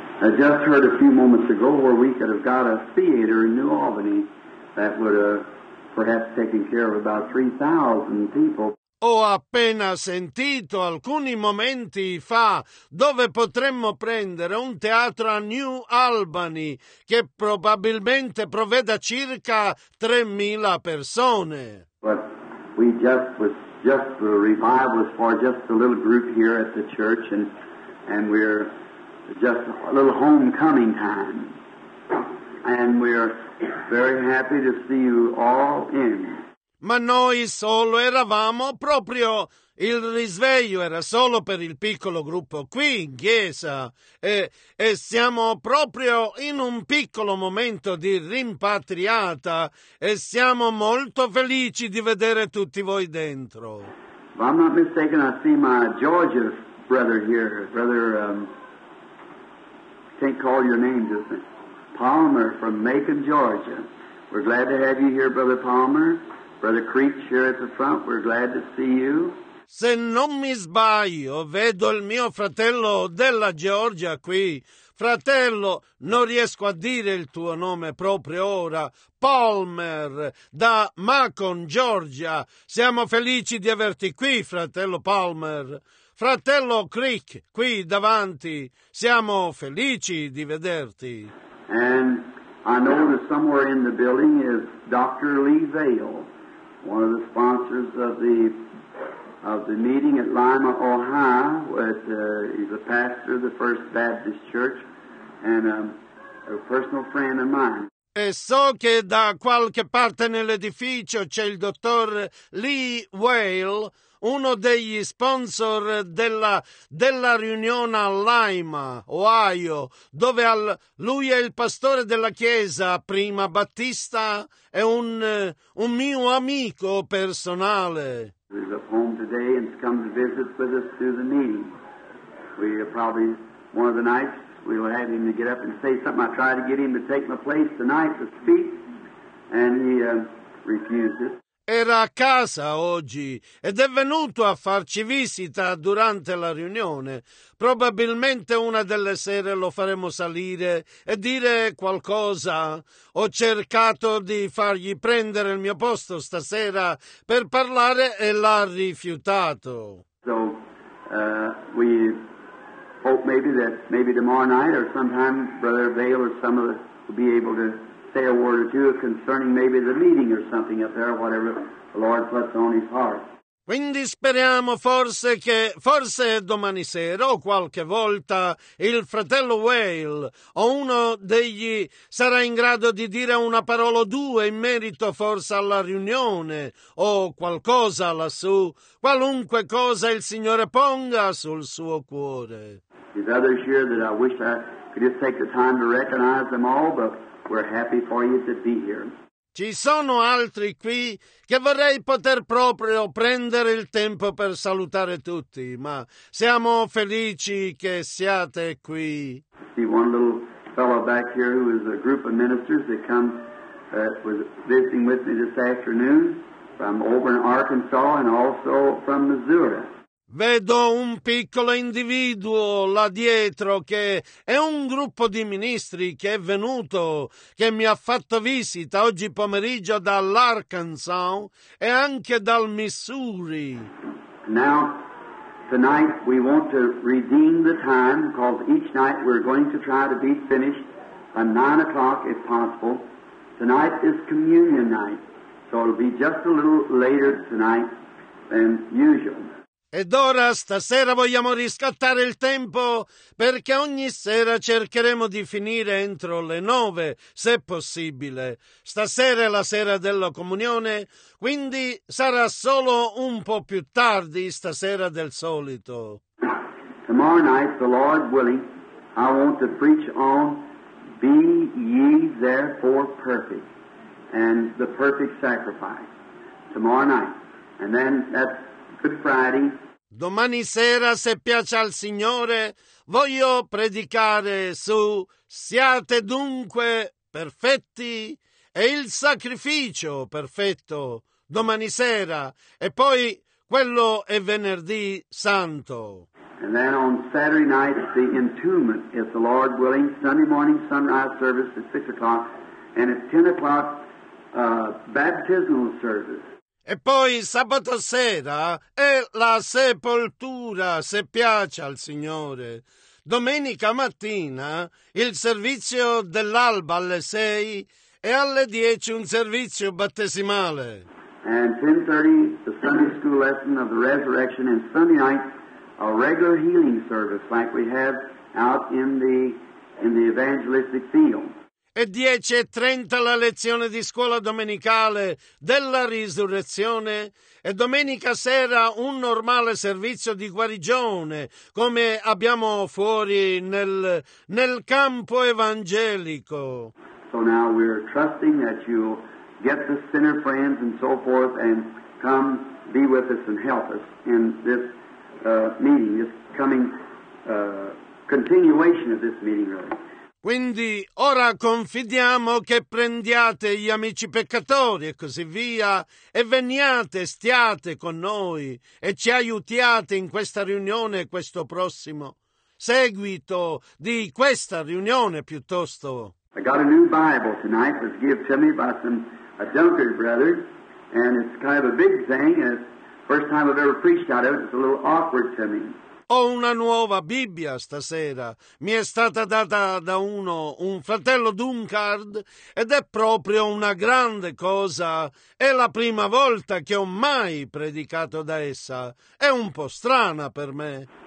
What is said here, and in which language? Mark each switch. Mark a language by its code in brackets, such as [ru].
[en] I just heard a few moments ago where we could have got a theater in New Albany that would have perhaps taken care of about 3,000 people. [it] Ho appena sentito alcuni momenti fa dove potremmo prendere un teatro a New Albany che probabilmente provveda circa 3,000 persone. [en] But we just the revival was for just a little group here at the church and we're just a little homecoming time. And we're very happy to see you all in. [it] Ma noi solo eravamo proprio, il risveglio era solo per il piccolo gruppo qui in chiesa e siamo proprio in un piccolo momento di rimpatriata e siamo molto felici di vedere tutti voi dentro. [en] Well, I'm not mistaken, I see my Georgia brother here, brother, can't call your name just Palmer from Macon, Georgia. We're glad to have you here, brother Palmer. Brother Creech here at the front, we're glad to see you. [it] Se non mi sbaglio, vedo il mio fratello della Georgia qui. Fratello, non riesco a dire il tuo nome proprio ora. Palmer, da Macon, Georgia. Siamo felici di averti qui, fratello Palmer. Fratello Creech, qui davanti. Siamo felici di vederti. [en] And I know that somewhere in the building is Dr. Lee Vale. One of the sponsors of the meeting at Lima, Ohio, he's a pastor of the First Baptist Church and a personal friend of mine. [it] E so che da qualche parte nell'edificio c'è il dottor Lee Whale, uno degli sponsor della riunione a Lima, Ohio, dove lui è il pastore della chiesa prima battista e un mio amico personale. [en] He's at home today and come to visit with us through the meeting. We are probably one of the nights we'll have him to get up and say something. I try to get him to take my place tonight to speak and he refuses. [it] Era a casa oggi ed è venuto a farci visita durante la riunione. Probabilmente una delle sere lo faremo salire e dire qualcosa. Ho cercato di fargli prendere il mio posto stasera per parlare e l'ha rifiutato. [en] So, we hope maybe that maybe tomorrow night or sometime Brother Vale or some of us will be able to say a word or two concerning maybe the meeting or something up there, whatever the Lord puts on his heart. [it] Quindi speriamo forse domani sera o qualche volta il fratello Whale o uno degli sarà in grado di dire una parola o due in merito forse alla riunione o qualcosa lassù, qualunque cosa il Signore ponga sul suo cuore. [en] There's others here that I wish I could just take the time to recognize them all, but we're happy for you to be here. [it] Ci sono altri qui che vorrei poter proprio prendere il tempo per salutare tutti, ma siamo felici che siate qui. [en] I see one little fellow back here who is a group of ministers that come was visiting with me this afternoon from over in Arkansas and also from Missouri. [it] Vedo un piccolo individuo là dietro che è un gruppo di ministri che è venuto, che mi ha fatto visita oggi pomeriggio dall'Arkansas e anche dal Missouri. [en] Now, tonight we want to redeem the time because each night we're going to try to be finished by 9 o'clock if possible. Tonight is communion night, so it'll be just a little later tonight than usual. [it] Ed ora stasera vogliamo riscattare il tempo perché ogni sera cercheremo di finire entro le 9, se possibile. Stasera è la sera della comunione, quindi sarà solo un po' più tardi stasera del solito. [en] Tomorrow night, the Lord willing, I want to preach on Be ye therefore perfect and the perfect sacrifice. Tomorrow night. And then that's Good Friday. [it] Domani sera, se piace al Signore, voglio predicare su Siate dunque perfetti e il sacrificio perfetto, domani sera, e poi quello è venerdì santo. [en] And then on Saturday night, the entombment, if the Lord willing, Sunday morning sunrise service at 6 o'clock, and at 10 o'clock, baptismal service. [it] E poi sabato sera è la sepoltura, se piace al Signore. Domenica mattina il servizio dell'alba alle 6 e alle 10 un servizio battesimale. [en] And 10:30 the Sunday school lesson of the resurrection and Sunday night a regular healing service like we have out in the evangelistic field. [it] E 10:30 la lezione di scuola domenicale della risurrezione e domenica sera un normale servizio di guarigione come abbiamo fuori nel campo evangelico. [en] So now we're trusting that you'll get the sinner friends and so forth and come be with us and help us in this meeting, this coming continuation of this meeting really. [it] Quindi ora confidiamo che prendiate gli amici peccatori e così via e veniate, stiate con noi e ci aiutiate in questa riunione, questo prossimo seguito di questa riunione piuttosto. [en] I got a new Bible tonight, it was given to me by some Dunkard brothers, and it's kind of a big thing, and it's the first time I've ever preached out of it, it's a little awkward to me. [it] Ho una nuova Bibbia stasera, mi è stata data da un fratello Dunkard, ed è proprio una grande cosa, è la prima volta che ho mai predicato da essa, è un po' strana per me.